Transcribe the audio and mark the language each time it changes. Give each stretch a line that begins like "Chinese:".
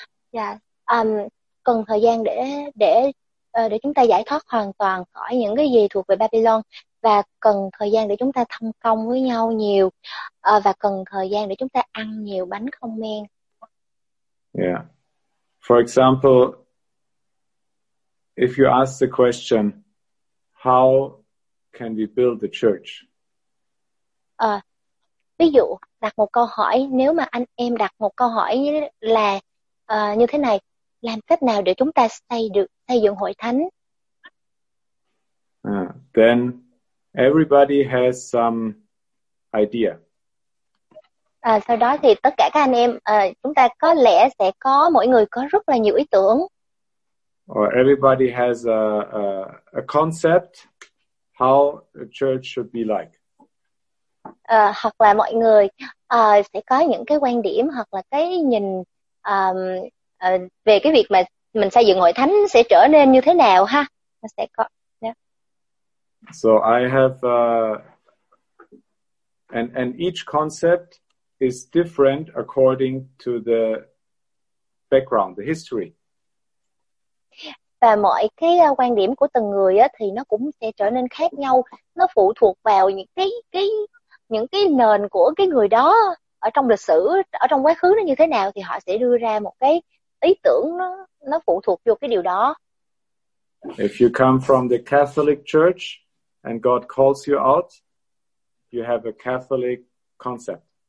Vietnamese: Yeah. Cần thời gian để chúng ta giải thoát hoàn toàn khỏi những cái gì thuộc về Babylon, và cần thời gian để chúng ta thông công với nhau nhiều, và cần thời gian để chúng ta ăn nhiều bánh không men. Yeah.
English: For example, if you ask the question, how can we build the church?
Vietnamese: Ví dụ, đặt một câu hỏi, nếu mà anh em đặt một câu hỏi là như thế này, làm cách nào để chúng ta xây dựng hội thánh?
English: Then everybody has some idea.
Vietnamese: Sau đó thì tất cả các anh em, chúng ta có lẽ sẽ có, mỗi người có rất là nhiều ý tưởng.
English: Or everybody has a concept how a church should be like.
Vietnamese: Hoặc là mọi người sẽ có những cái quan điểm hoặc là cái nhìn về cái việc mà mình xây dựng hội thánh sẽ trở nên như thế nào ha. nó sẽ có. Yeah.
English: So I have and each concept is different according to the background, the history.
Vietnamese: Và mọi cái quan điểm của từng người á, thì nó cũng sẽ trở nên khác nhau, nó phụ thuộc vào những cái nền của cái người đó ở trong lịch sử, ở trong quá khứ nó như thế nào thì họ sẽ đưa ra một cái ý tưởng nó phụ thuộc vô cái điều đó.
English: If you come from the Catholic Church and God calls you out, you have a Catholic concept.